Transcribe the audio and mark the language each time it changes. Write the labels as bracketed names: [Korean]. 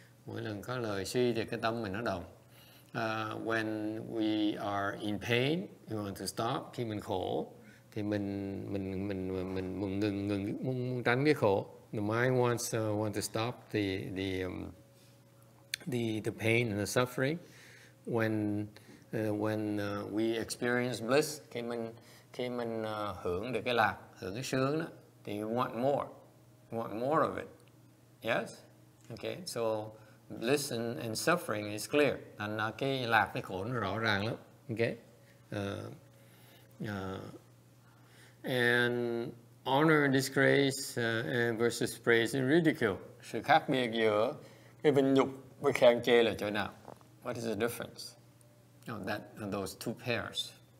[Vietnamese] Mỗi lần có lời suy thì cái tâm mình nó động. [English] When we are in pain, we want to stop. [Vietnamese] Khi mình khổ, thì mình ngừng tránh cái khổ. [English] The mind wants want to stop the pain and the suffering. When we experience bliss, [Vietnamese] khi mình hưởng được cái lạc, hưởng cái sướng đó, thì [English] we want more of it. Yes. Okay. So. Bliss and suffering is clear. [Vietnamese] Anh nói cái lạc cái khổ nó rõ ràng lắm. [English] Okay? And honor and disgrace and versus praise and ridicule. [Vietnamese] Sự khác biệt giữa cái vinh nhục với khen chê là chỗ nào? [English] What is the difference on that on those two pairs?